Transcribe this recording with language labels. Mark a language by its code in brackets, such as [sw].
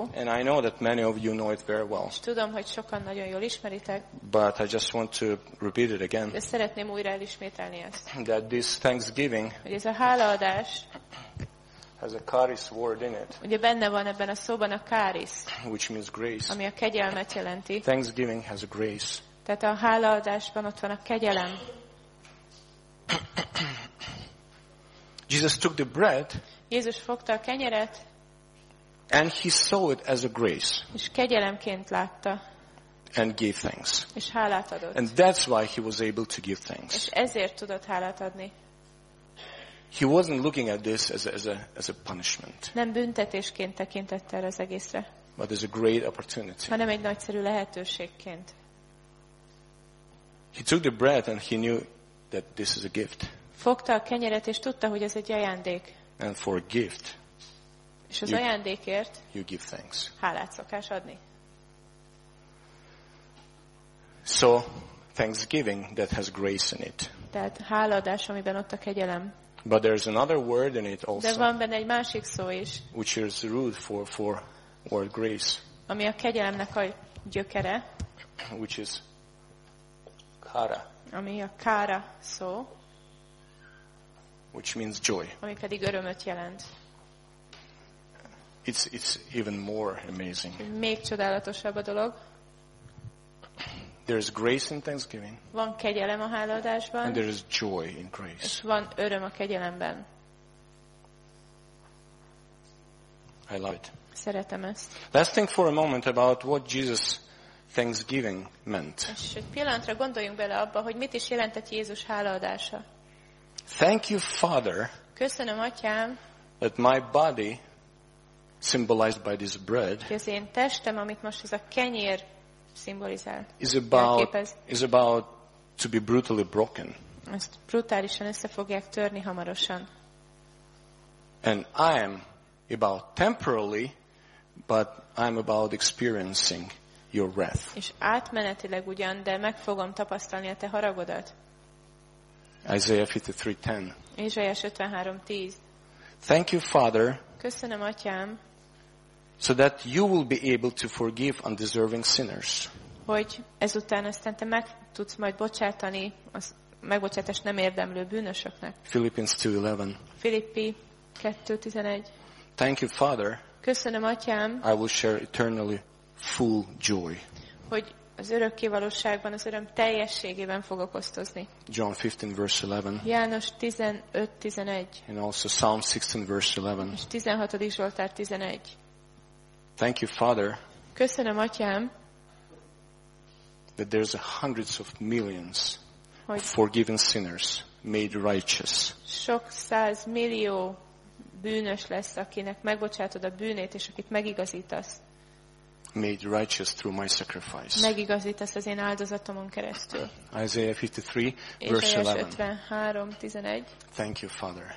[en] And I know that many of you know it very well. [hu] Tudom, hogy sokan nagyon jól ismeritek. [en] But I just want to repeat it again. [hu] De szeretném újra elismételni ezt. [en] That this thanksgiving. [hu] Hogy ez a hálaadás. [en] Has a charis word in it. [hu] Ugye benne van ebben a szóban a charis. [en] Which means grace. [hu] Ami a kegyelmet jelenti. [en] Thanksgiving has a grace. [hu] Tehát a hálaadásban ott van a kegyelem. [en] Jesus took the bread. [hu] Jézus fogta a kenyeret. [en] And he saw it as a grace. [hu] És kegyelemként látta. [en] And gave thanks. [hu] És hálát adott. [en] And that's why he was able to give thanks. [hu] És ezért tudott hálát adni. [en] He wasn't looking at this as a punishment. [hu] Nem büntetésként tekintett erre az egészre. [en] But as a great opportunity. [hu] Hanem egy nagyszerű lehetőségként. [en] He took the bread and he knew that this is a gift. [hu] Fogta a kenyeret és tudta, hogy ez egy ajándék. [en] And for a gift. [hu] És az ajándékért. [en] You give thanks. [hu] Hálát szokás adni. [en] So, thanksgiving that has grace in it. [hu] Tehát hálaadás, amiben ott a kegyelem. [en] But there's another word in it also. [hu] De van benne egy másik szó is. [en] Which is root for word grace. [hu] Ami a kegyelemnek a gyökere. [en] Which is kara. [hu] Ami a kara szó. [en] Which means joy. [hu] Ami pedig örömöt jelent. [en] It's even more amazing. [hu] Még csodálatosabb a dolog. [en] There is grace in thanksgiving. [hu] Van kegyelem a hálaadásban. [en] And there is joy in grace. [hu] És van öröm a kegyelemben. [en] I love it. [hu] Szeretem ezt. [en] Let's think for a moment about what Jesus thanksgiving meant. [hu] És egy pillanatra gondoljunk bele abba, hogy mit is jelentett Jézus hálaadása. [en] Thank you, Father. [hu] Köszönöm, Atyám. [en] That my body symbolized by this bread. [hu] Hogy az én testem, amit most ez a kenyér szimbolizál. [en] Is about to be brutally broken. [hu] Ezt brutálisan össze fogják törni hamarosan. [en] And I am about temporarily, but I'm about experiencing your wrath. [hu] És átmenetileg ugyan, de meg fogom tapasztalni a te haragodat. [en] Isaiah 53:10. [hu] Ézsaiás 53:10. [en] Thank you, Father. [hu] Köszönöm, Atyám. [en] So that you will be able to forgive undeserving sinners. [hu] Hogy ezután aztán te meg tudsz majd bocsátani az megbocsátást nem érdemlő bűnösöknek. [en] Philippians 2:11. [hu] Filippi 2:11. [en] Thank you, Father. [hu] Köszönöm, Atyám. [en] I will share eternally full joy. [hu] Hogy az örökké valóságban az öröm teljességében fogok osztozni. [en] John 15:11. [hu] János 15:11. [en] And also Psalm 16:11. [hu] És 16. Zsoltár 11. [en] Thank you, Father. [hu] Köszönöm, Atyám. [en] That there's hundreds of millions of forgiven sinners made righteous. [hu] Sok száz millió bűnös lesz, akinek megbocsátod a bűnét és akit megigazítasz. [en] Made righteous through my sacrifice. [hu] Megigazítasz az én áldozatomon keresztül. [en] Isaiah 53:11. Thank you, Father.